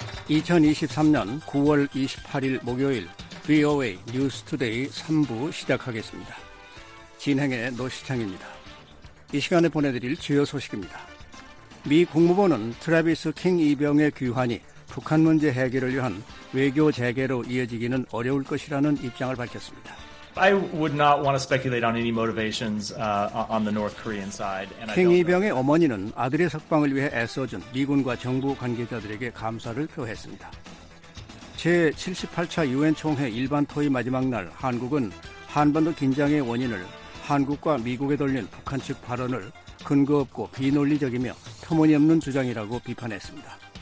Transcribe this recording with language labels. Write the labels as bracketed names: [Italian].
[Korean] 2023년 9월 28일 목요일 VOA 뉴스 투데이 3부 시작하겠습니다. 진행의 노시창입니다. 이 시간에 보내드릴 주요 소식입니다. 미 국무부는 트래비스 킹 이병의 귀환이 북한 문제 해결을 위한 외교 재개로 이어지기는 어려울 것이라는 입장을 밝혔습니다. [English] I would not want to speculate on any motivations on the North Korean side. [Korean] 킹 이병의 어머니는 아들의 석방을 위해 애써준 미군과 정부 관계자들에게 감사를 표했습니다. 제78차 유엔 총회 일반 토의 마지막 날 한국은 한반도 긴장의 원인을 한국과 미국에 돌린 북한 측 발언을 근거 없고 비논리적이며 터무니없는 주장이라고 비판했습니다.